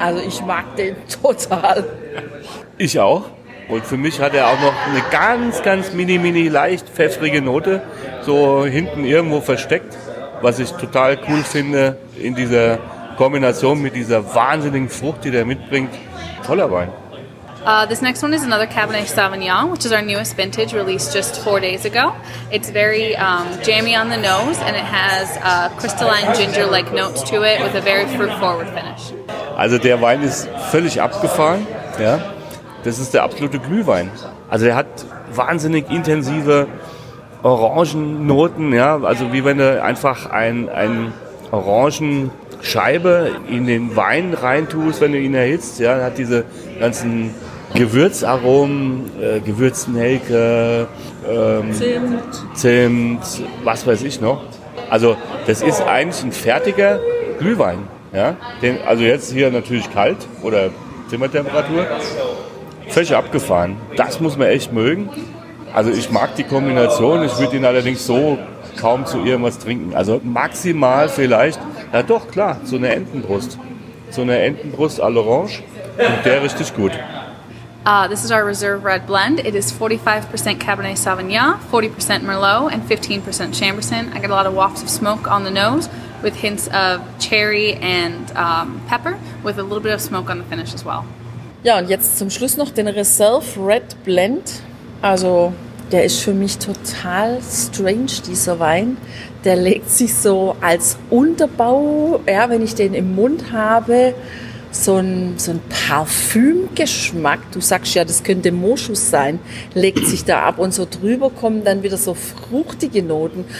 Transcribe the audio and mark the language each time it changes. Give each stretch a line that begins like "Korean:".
German: Also ich mag den total. Ich auch. Und für mich hat er auch noch eine ganz, ganz mini, mini leicht pfeffrige Note, so hinten irgendwo versteckt. Was ich total cool finde in dieser Kombination mit dieser wahnsinnigen Frucht, die der mitbringt. Toller Wein.
English: This next one is another Cabernet Sauvignon, which is our newest vintage, released just 4 days ago. It's very jammy on the nose and it has crystalline ginger-like notes to it with a very fruit-forward finish.
German: Also der Wein ist völlig abgefahren. Ja? Das ist der absolute Glühwein. Also der hat wahnsinnig intensive Orangennoten, ja, also wie wenn du einfach ein Orangenscheibe in den Wein reintust, wenn du ihn erhitzt, ja, hat diese ganzen Gewürzaromen, Gewürznelke, Zimt, was weiß ich noch. Also das ist eigentlich ein fertiger Glühwein, ja, den, also jetzt hier natürlich kalt oder Zimmertemperatur, völlig abgefahren, das muss man echt mögen. Also ich mag die Kombination, ich würde ihn allerdings so kaum zu irgendwas trinken. Also maximal vielleicht, ja doch, klar, so eine Entenbrust. So eine Entenbrust à l'Orange, und der richtig gut.
English: This is our Reserve Red Blend. It is 45% Cabernet Sauvignon, 40% Merlot and 15% Chambersin. I get a lot of wafts of smoke on the nose with hints of cherry and pepper with a little bit of smoke on the finish as well.
German: Ja, und jetzt zum Schluss noch den Reserve Red Blend. Also der ist für mich total strange, dieser Wein. Der legt sich so als Unterbau, ja, wenn ich den im Mund habe, so ein Parfümgeschmack, du sagst ja, das könnte Moschus sein, legt sich da ab und so drüber kommen dann wieder so fruchtige Noten.